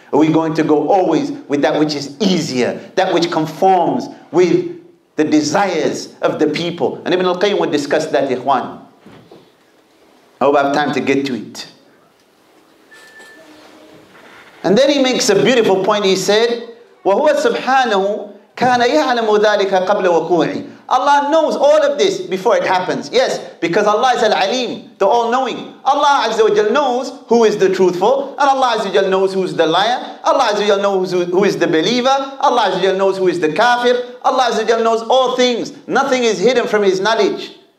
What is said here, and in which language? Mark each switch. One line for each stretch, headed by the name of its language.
English: Are we going to go always with that which is easier, that which conforms with the desires of the people? And Ibn al-Qayyim will discuss that, Ikhwan. I hope I have time to get to it. And then he makes a beautiful point. He said,
Arabic: وَهُوَ سُبْحَانَهُ كَانَ يَعْلَمُ ذَلِكَ قَبْلَ وَقُوعِهِ.
English: Allah knows all of this before it happens. Yes, because Allah is al-Alim, the all-knowing. Allah Azza wa Jal knows who is the truthful, and Allah Azza wa Jal knows who is the liar. Allah Azza wa Jal knows who is the believer. Allah Azza wa Jal knows who is the kafir. Allah Azza wa Jal knows all things. Nothing is hidden from His knowledge.